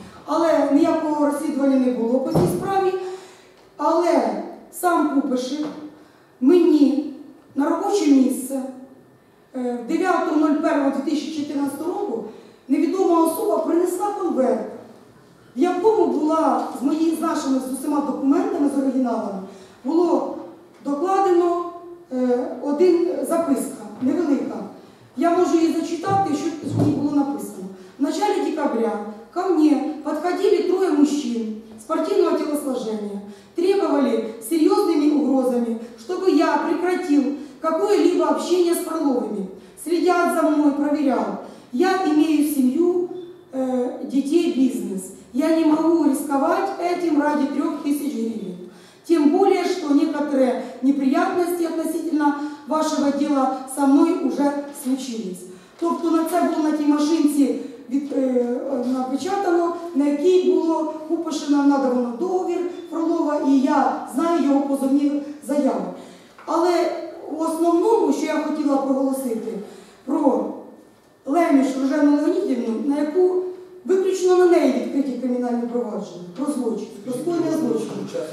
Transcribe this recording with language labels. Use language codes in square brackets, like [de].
[uk] Але ніякого розслідування не було по цій справі. Але сам Пупишев мені на робоче місце 9.01.2014 року невідома особа принесла конверт, в якому була з нашими з усіма документами, з оригіналами, було докладено один записка, невелика. Я можу її зачитати, що в ній було написано. [ru] В начале декабря ко мне подходили трое мужчин спортивного телосложения, требовали серьезными угрозами, чтобы я прекратил какое-либо общение с Фроловыми. Следят за мной, проверял. Я имею семью, детей, бизнес. Я не могу рисковать этим ради 3000 гривен. Тем более, что некоторые неприятности относительно вашего дела со мной уже случились. [uk] Тобто на це було на тій машинці напечатано, на якій було Купишина надано договір Фролова, і я знаю його позовні заяви. Але в основному, що я хотіла проголосити, про Леміш Ружену Леонідівну, на яку виключно на неї відкриті кримінальні провадження про злочин, про скоєння злочину.